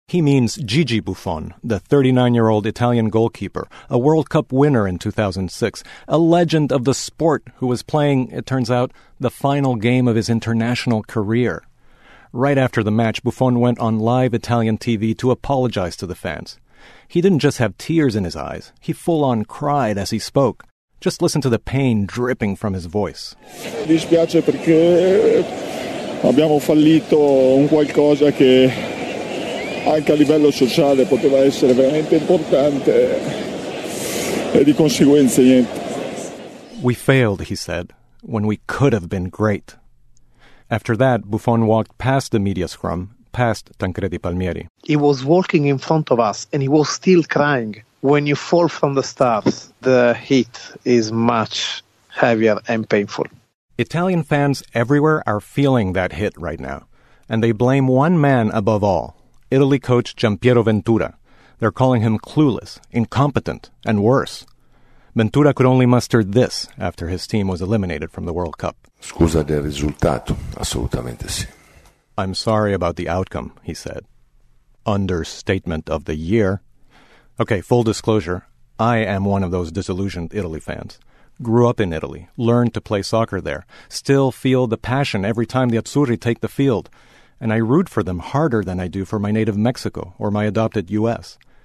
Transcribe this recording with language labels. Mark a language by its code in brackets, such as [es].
[en] He means Gigi Buffon, the 39-year-old Italian goalkeeper, a World Cup winner in 2006, a legend of the sport who was playing, it turns out, the final game of his international career. Right after the match, Buffon went on live Italian TV to apologize to the fans. He didn't just have tears in his eyes. He full-on cried as he spoke. Just listen to the pain dripping from his voice. [it] Dispiace perché abbiamo fallito un qualcosa che anche a livello sociale poteva essere veramente importante e di conseguenza niente. [en] We failed, he said, when we could have been great. After that, Buffon walked past the media scrum, past Tancredi Palmieri. He was walking in front of us and he was still crying. When you fall from the stars, the heat is much heavier and painful. Italian fans everywhere are feeling that hit right now. And they blame one man above all, Italy coach Giampiero Ventura. They're calling him clueless, incompetent, and worse. Ventura could only muster this after his team was eliminated from the World Cup. [it] Scusa del risultato, assolutamente sì. [en] I'm sorry about the outcome, he said. Understatement of the year. Okay, full disclosure, I am one of those disillusioned Italy fans. Grew up in Italy, learned to play soccer there, still feel the passion every time the Azzurri take the field, and I root for them harder than I do for my native Mexico or my adopted U.S.